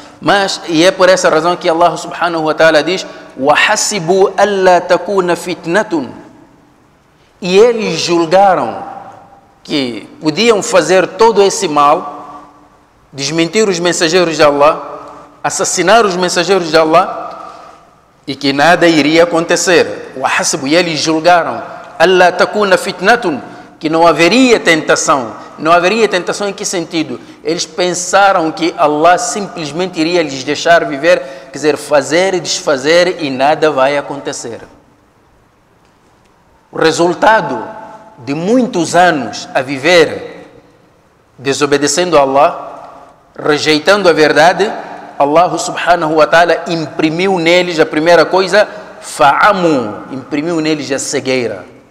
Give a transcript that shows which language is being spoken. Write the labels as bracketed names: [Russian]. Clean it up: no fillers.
[Portuguese] Mas, e é por essa razão que Allah subhanahu wa ta'ala diz: [Arabic] وَحَسِبُوا أَلَّا تَكُونَ فِتْنَةٌ. [Portuguese] E eles julgaram que podiam fazer todo esse mal, desmentir os mensageiros de Allah, assassinar os mensageiros de Allah, e que nada iria acontecer. [Arabic] وَحَسِبُوا. [Portuguese] E eles julgaram: [Arabic] أَلَّا تَكُونَ فِتْنَةٌ. [Portuguese] Que não haveria tentação. Não haveria tentação em que sentido? Eles pensaram que Allah simplesmente iria lhes deixar viver, quer dizer, fazer e desfazer, e nada vai acontecer. O resultado de muitos anos a viver desobedecendo a Allah, rejeitando a verdade, Allah subhanahu wa ta'ala imprimiu neles a primeira coisa, fa'amu, imprimiu neles a cegueira.